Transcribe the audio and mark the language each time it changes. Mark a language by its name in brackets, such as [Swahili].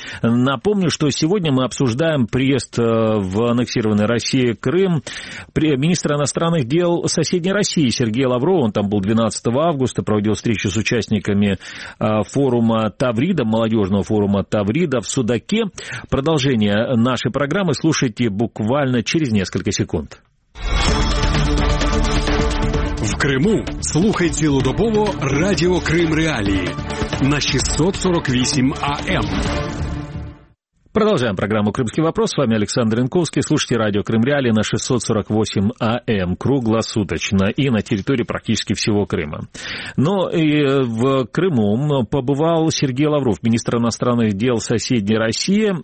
[Russian] Напомню, что сегодня мы обсуждаем приезд в аннексированной России Крым министра иностранных дел соседней России Сергея Лаврова. Он там был 12 августа, проводил встречу с участниками форума «Таврида», молодежного форума «Таврида» в Судаке. Продолжение нашей программы слушайте буквально через несколько секунд. [Ukrainian] В Криму слухайте Лудобово Радіо Крим Реалії на 648 АМ. [Russian] Продолжаем программу «Крымский вопрос». С вами Александр Янковский. Слушайте радио «Крым Реалии» на 648 АМ круглосуточно и на территории практически всего Крыма. Но и в Крыму побывал Сергей Лавров, министр иностранных дел соседней России.